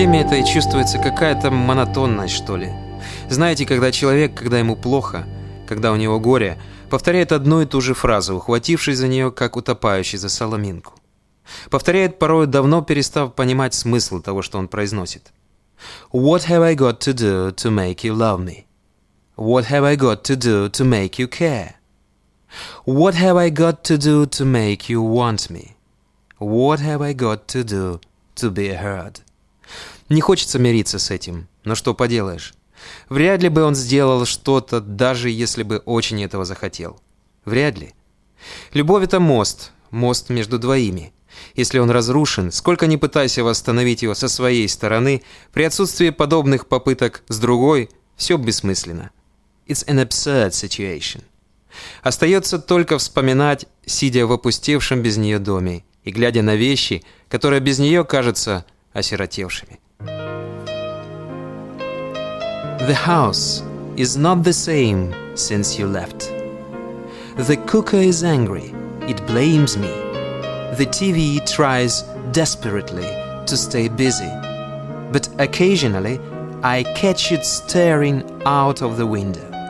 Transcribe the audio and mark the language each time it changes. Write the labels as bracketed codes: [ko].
[ru] Это и чувствуется какая-то монотонность, что ли. Знаете, когда человек, когда ему плохо, когда у него горе, повторяет одну и ту же фразу, ухватившись за нее, как утопающий за соломинку. Повторяет порой, давно перестав понимать смысл того, что он произносит. [en] What have I got to do to make you love me? What have I got to do to make you care? What have I got to do to make you want me? What have I got to do to be heard? [ru] Не хочется мириться с этим, но что поделаешь. Вряд ли бы он сделал что-то, даже если бы очень этого захотел. Вряд ли. Любовь – это мост, мост между двоими. Если он разрушен, сколько ни пытайся восстановить его со своей стороны, при отсутствии подобных попыток с другой, все бессмысленно. [en] It's an absurd situation. [ru] Остается только вспоминать, сидя в опустевшем без нее доме и глядя на вещи, которые без нее кажутся осиротевшими. [en] The house is not the same since you left. The cooker is angry, it blames me. The TV tries desperately to stay busy. But occasionally I catch it staring out of the window.